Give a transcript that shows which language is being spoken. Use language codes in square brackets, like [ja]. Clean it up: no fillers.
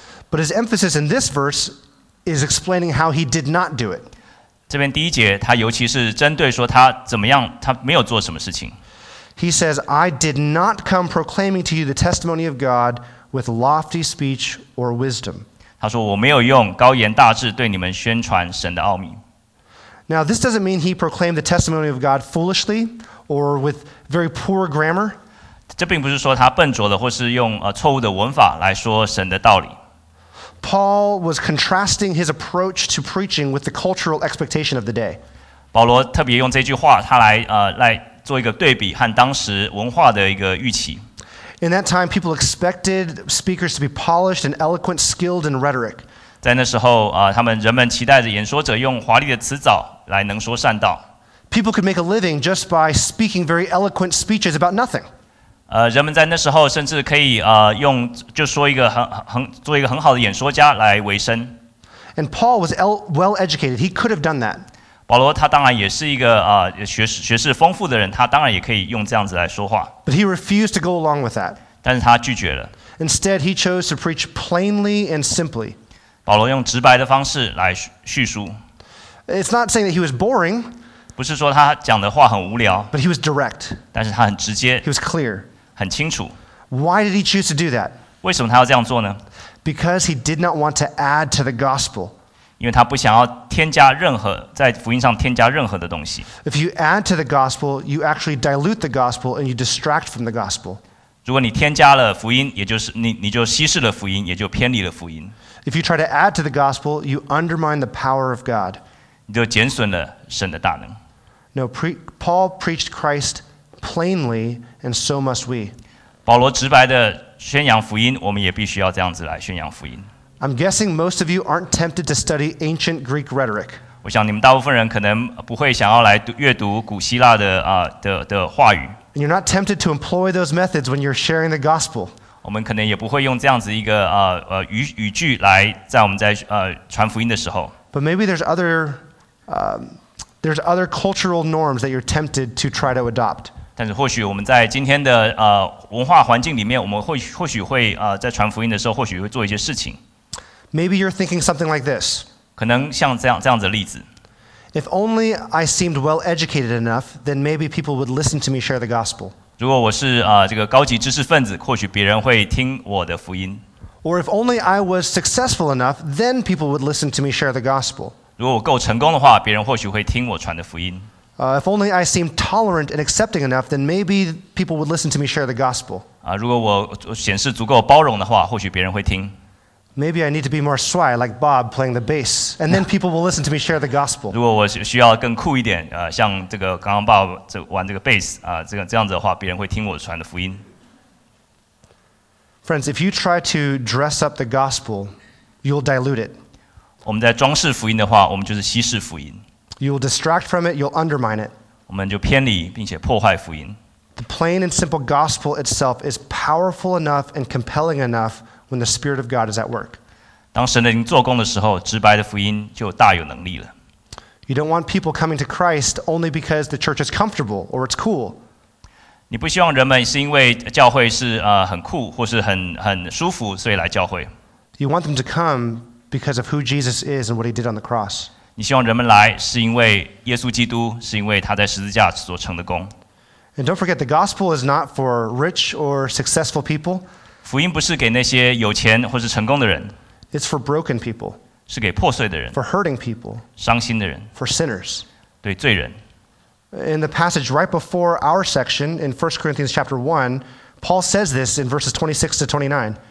[en] But his emphasis in this verse is explaining how he did not do it. [zh] 这边第一节，他尤其是针对说他怎么样，他没有做什么事情。 [en] He says, "I did not come proclaiming to you the testimony of God with lofty speech or wisdom." [zh] 他说我没有用高言大志对你们宣传神的奥秘。 [en] Now, this doesn't mean he proclaimed the testimony of God foolishly or with very poor grammar. [zh] 这并不是说他笨拙的或是用错误的文法来说神的道理。 [en] Paul was contrasting his approach to preaching with the cultural expectation of the day. [zh] 保罗特别用这句话，他来做一个对比和当时文化的一个预期。 [en] In that time, people expected speakers to be polished and eloquent, skilled in rhetoric. [zh] 在那时候，人们期待着演说者用华丽的辞藻来能说善道。 [en] People could make a living just by speaking very eloquent speeches about nothing. [zh] 人们在那时候甚至可以用就说一个做一个很好的演说家来维生。 [en] And Paul was well educated. He could have done that. [zh] 保罗他当然也是一个学识丰富的人，他当然也可以用这样子来说话。 [en] But he refused to go along with that. [zh] 但是他拒绝了。 [en] Instead, he chose to preach plainly and simply. [zh] 保罗用直白的方式来叙述。 [en] It's not saying that he was boring. [zh] 不是说他讲的话很无聊。 [en] But he was direct. [zh] 但是他很直接。 [en] He was clear. [zh] 很清楚。 [en] Why did he choose to do that? [zh] 为什么他要这样做呢? [en] Because he did not want to add to the gospel. [zh] 因为他不想要添加任何在福音上添加任何的东西。 [en] If you add to the gospel, you actually dilute the gospel and you distract from the gospel. [zh] 如果你添加了福音，也就是 你就稀释了福音，也就偏离了福音。 [en] If you try to add to the gospel, you undermine the power of God. [zh] 你就减损了神的大能。 [en] No, Paul preached Christ plainly, and so must we. [zh] 保罗直白的宣扬福音，我们也必须要这样子来宣扬福音。 [en] I'm guessing most of you aren't tempted to study ancient Greek rhetoric. [zh] 我想你们大部分人可能不会想要来阅读古希腊 的话语。 [en] And you're not tempted to employ those methods when you're sharing the gospel. [zh] 我们可能也不会用这样子一个语句来在我们在传福音的时候。 [en] But maybe there's other cultural norms that you're tempted to try to adopt. [zh] 但是或许我们在今天的文化环境里面，我们或许会在传福音的时候，或许会做一些事情。 [en] Maybe you're thinking something like this. [zh] 可能像这样子的例子。 [en] If only I seemed well-educated enough, then maybe people would listen to me share the gospel. [zh] 如果我是这个高级知识分子，或许别人会听我的福音。 [en] Or if only I was successful enough, then people would listen to me share the gospel. [zh] 如果我够成功的话，别人或许会听我传的福音。 [en] If only I seemed tolerant and accepting enough, then maybe people would listen to me share the gospel. [zh] 如果我显示足够包容的话，或许别人会听。 [en] Maybe I need to be more swag like Bob playing the bass, and then people will listen to me share the gospel. [zh] 如果我需要更酷一点，像这个刚刚 Bob 玩这个 bass 这样子的话，别人会听我传的福音。 [en] Friends, if you try to dress up the gospel, you'll dilute it. [zh] 我们在装饰福音的话，我们就是稀释福音。 [en] You'll distract from it. You'll undermine it. [zh] 我们就偏离并且破坏福音。 [en] The plain and simple gospel itself is powerful enough and compelling enough. When the Spirit of God is at work. [zh] 当神的灵做工的时候，直白的福音就大有能力了。 [en] You don't want people coming to Christ only because the church is comfortable or it's cool. [zh] 你不希望人们是因为教会是很酷或是很舒服，所以来教会。 [en] You want them to come because of who Jesus is and what he did on the cross. [zh] 你希望人们来是因为耶稣基督，是因为他在十字架所成的功。 [en] And don't forget, the gospel is not for rich or successful people. [zh] 福音不是给那些有钱或是成功的人 [en] ，It's for broken people， [zh] 是给破碎的人 [en] ，For hurting people， [zh] 伤心的人 [en] ，For sinners， [zh] 对罪人。 [en] In the passage right before our section in 1 Corinthians chapter 1, Paul says this in verses 26 to 29.